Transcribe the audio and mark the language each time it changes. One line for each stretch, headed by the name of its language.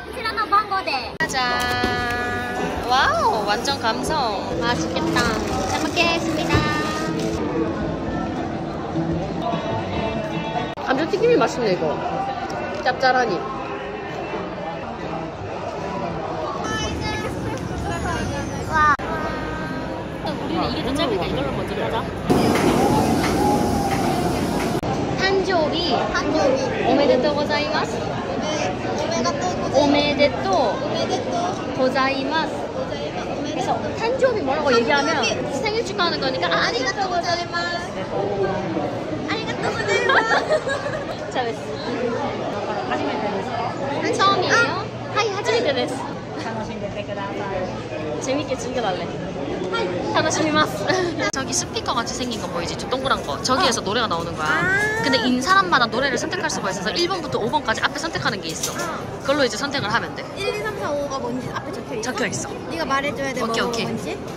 Japanese: ありがとうございます。ありがとうございます。この子この前にちょっと誕生日だったんですけど、誕生日だったらなんかスティーカーもらうことは結構。あ、こっちでも大丈夫ですか？大丈夫です。なんで？ああ、冬、冬、冬いっぱい楽しんできなさい。ありがとうございます。こちらの番号で。じゃじゃん。
Korean: 와우 완전 감성 맛있겠다 잘 먹겠습니다 감자튀김이 맛있네 이거 짭짤하니 와 우리는 이게 더 짧으니까 이걸로 먼저 가자
Japanese: 탄조비 탄조비 오메데토 고자이마스 오메데토 고자이마스
Korean: 탄조비 뭐라고 얘기하면 생일 축하하는 거니까
Japanese: 아리가토 고자이마스 아리가토 고자이마스
Korean: 잘했어
Japanese: 하지메테 데스
Korean: 처음이에요?
Japanese: 하이 하지메테 데스 楽しんでてください
Korean: 재밌게 즐겨달래
Japanese: 하이 楽しみます
Korean: 저기 스피커 같이 생긴 거 보이지? 저 동그란 거 저기에서 노래가 나오는 거야 근데 인 사람마다 노래를 선택할 수가 있어서 1번부터 5번까지 앞에 선택하는 게 있어 그걸로 이제 선택을 하면 돼 1, 2, 3, 4, 5가 뭔지 앞에 적혀있어? 적혀있어 네가 말해줘야 돼
English: 오케이,
Korean: 오케이. 뭔지